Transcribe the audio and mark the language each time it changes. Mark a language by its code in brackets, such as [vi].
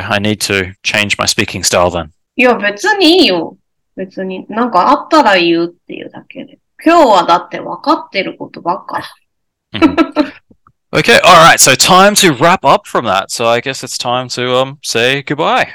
[en] I need to change my speaking style then. [ja] いや、別にいいよ。別に。なんかあったら言うっていうだけで。今日はだって分かってることばっか。 [en] Okay. All right. So time to wrap up from that. So I guess it's time to say goodbye.